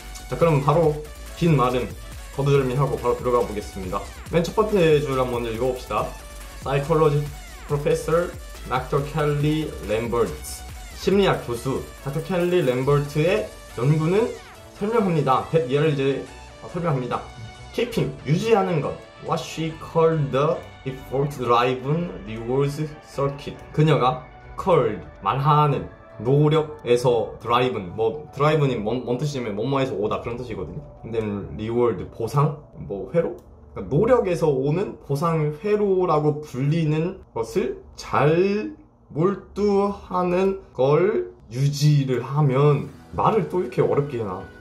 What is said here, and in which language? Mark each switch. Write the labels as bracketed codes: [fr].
[ko] 자, 그럼 바로 긴 말은 거두절미하고 바로 들어가 보겠습니다. 맨 첫 번째 줄 한번 읽어봅시다. Psychology 프로페서 닥터 켈리 램버트 심리학 교수 닥터 켈리 램버트의 연구는 설명합니다. 100 예를 이제 설명합니다. Keeping, 유지하는 것. [en] What she called the effort-driven rewards circuit. [ko] 그녀가 called, 말하는, 노력에서 drive, 뭐, drive는 뭔 뜻이냐면, 뭐뭐에서 오다, 그런 뜻이거든요. 근데 reward, 보상, 뭐, 회로? 그러니까 노력에서 오는 보상 회로라고 불리는 것을 잘 몰두하는 걸 유지를 하면, 말을 또 이렇게 어렵게 해놔.